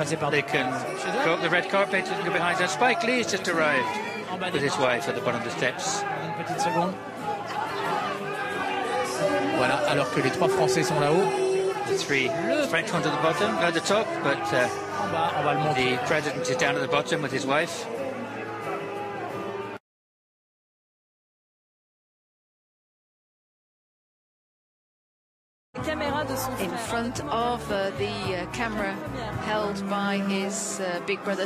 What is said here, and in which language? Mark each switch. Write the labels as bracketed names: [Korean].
[English] They can go up the red carpet and go behind us. Spike Lee has just arrived with his wife at the bottom of the steps. [French] Voilà, alors que les trois Français sont là-haut. [English] The three French ones at the bottom, at the top, but the president is down at the bottom with his wife. In front of the camera held by his big brother.